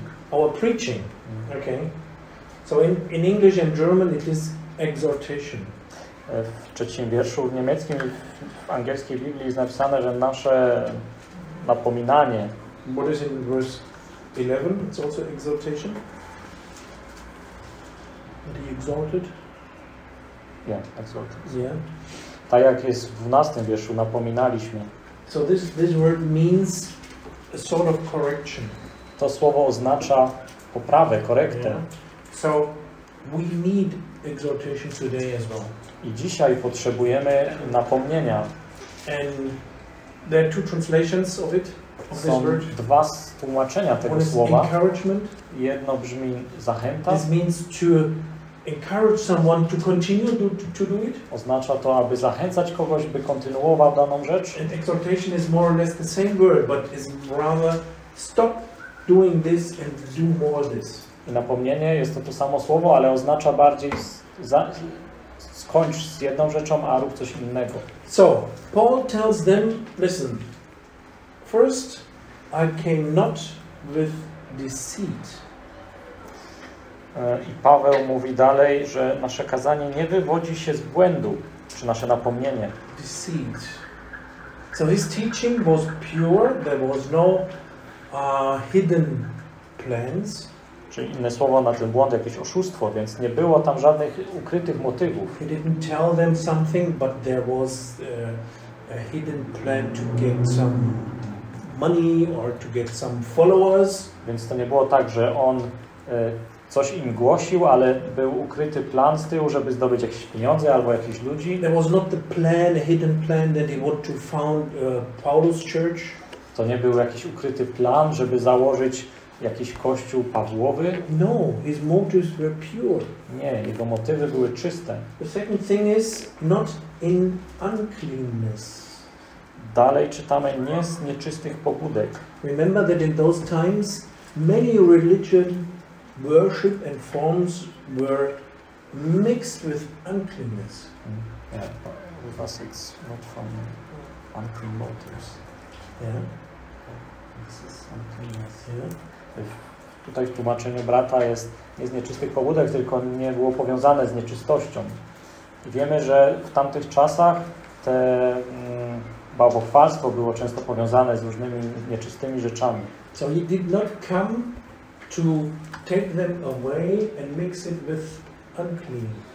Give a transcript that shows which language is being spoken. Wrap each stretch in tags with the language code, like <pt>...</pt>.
<en>Our preaching. Okay. So in English and German it is exhortation.</en> <pl>W trzecim wierszu w niemieckim i w angielskiej Biblii jest napisane, że nasze napominanie.</pl> <en>What is in verse 11? It's also exhortation. And he exhorted. Yeah, exhorted. Yeah.</en> <pl>Tak jak jest w 12 wierszu, napominaliśmy.</pl> <en>So this word means a sort of correction.</en> <pl>To słowo oznacza poprawę, korektę.</pl> <en>Yeah. So we need exhortation today as well.</en> <pl>I dzisiaj potrzebujemy napomnienia.</pl> <en>And there are two translations of it. Of</en> <pl>Są</pl> <en>this</en> <pl>dwa tłumaczenia tego</pl> <en>one</en> <pl>słowa.</pl> <en>Encouragement.</en> <pl>Jedno brzmi zachęta.</pl> <en>This means to encourage someone to continue to do it.</en> <pl>Oznacza to, aby zachęcać kogoś, by kontynuował daną rzecz.</pl> <en>And exhortation is more or less the same word, but is rather stop doing this and do more this.</en> <pl>I napomnienie jest to samo słowo, ale oznacza bardziej skończ z jedną rzeczą, a rób coś innego.</pl> <en>So Paul tells them, listen. First, I came not with deceit.</en> <pl>I Paweł mówi dalej, że nasze kazanie nie wywodzi się z błędu, czy nasze napomnienie.</pl> <en>Deceit. So his teaching was pure, there was no hidden plans.</en> <pl>Czyli inne słowo na ten błąd, jakieś oszustwo, więc nie było tam żadnych ukrytych motywów.</pl> <en>He didn't tell them something, but there was a hidden plan to get some money or to get some followers.</en> <pl>Więc to nie było tak, że on coś im głosił, ale był ukryty plan z tyłu, żeby zdobyć jakieś pieniądze albo jakichś ludzi.</pl> <en>There was not the plan, a hidden plan that he wanted to found Paul's church.</en> <pl>To nie był jakiś ukryty plan, żeby założyć jakiś kościół Pawłowy.</pl> <en>No, his motives were pure.</en> <pl>Nie, jego motywy były czyste.</pl> <en>The second thing is not in uncleanness.</en> <pl>Dalej czytamy, nie z nieczystych pobudek.</pl> <en>Remember that in those times many religion worship and forms were mixed with uncleanness. Yeah, with us it's not from unclean motives. Yeah. This is uncleanness. Yeah.</en> <pl>Tutaj w tłumaczeniu brata jest nie z nieczystych pobudek, tylko nie było powiązane z nieczystością. I wiemy, że w tamtych czasach te bałwochwalstwo było często powiązane z różnymi nieczystymi rzeczami.</pl> <en>So he did not come to take them away and mix it with unclean</en>